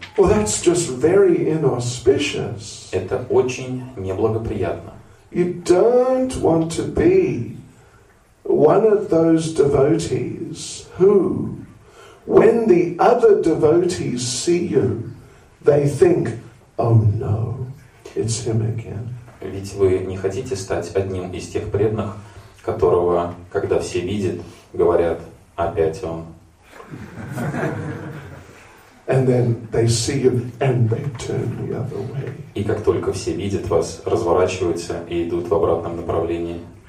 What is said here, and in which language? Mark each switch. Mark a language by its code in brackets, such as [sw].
[en] Well, that's just very inauspicious. [ru] Это очень неблагоприятно. [en] You don't want to be one of those devotees who, when the other devotees see you, they think, "Oh no, it's him again." [ru] Ведь вы не хотите стать одним из тех преданных, которого, когда все видят, говорят, опять он. [en] And then they see you and they turn the other way. [ru] И как только все видят вас, разворачиваются и идут в обратном направлении.